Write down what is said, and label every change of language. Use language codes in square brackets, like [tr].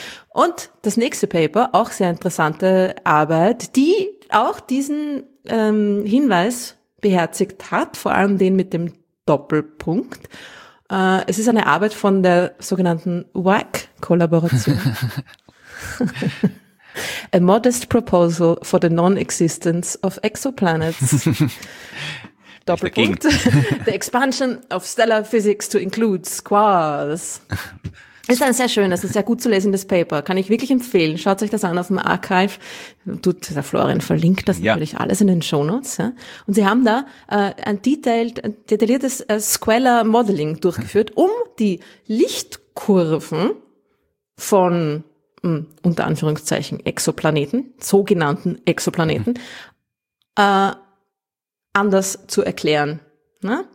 [de] Und das nächste Paper, auch sehr interessante Arbeit, die auch diesen Hinweis beherzigt hat, vor allem den mit dem Doppelpunkt. Es ist eine Arbeit von der sogenannten WAC-Kollaboration. [en] A Modest Proposal for the Non-Existence of Exoplanets. Doppelpunkt. The Expansion of Stellar Physics to Include Quasars. [de] Ist ein sehr schönes, ein sehr gut zu lesendes Paper. Kann ich wirklich empfehlen. Schaut euch das an auf dem Archive. Der Florian verlinkt das natürlich alles in den Shownotes. Ja. Und sie haben da ein detailliertes Squalor Modeling durchgeführt, um die Lichtkurven von, unter Anführungszeichen, Exoplaneten, sogenannten Exoplaneten, anders zu erklären. Ne?